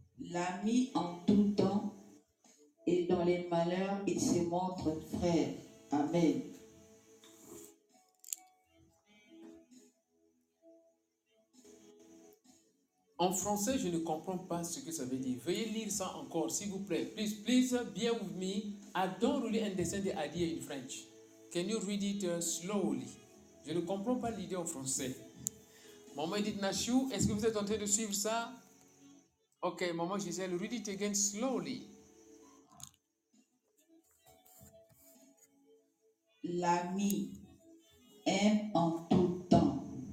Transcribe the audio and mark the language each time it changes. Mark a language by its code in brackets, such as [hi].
[fr] L'ami en tout temps et dans les malheurs, il se montre frère. Amen. En français, je ne comprends pas ce que ça veut dire. Veuillez lire ça encore, s'il vous plaît. [en] Please, please, bien with me. I don't really understand the idea in French. Can you read it slowly? [fr] Je ne comprends pas l'idée en français. Maman Edith Nashu, est-ce que vous êtes en train de suivre ça? [en] Ok, maman Giselle, read it again slowly. [fr] L'ami aime en tout temps.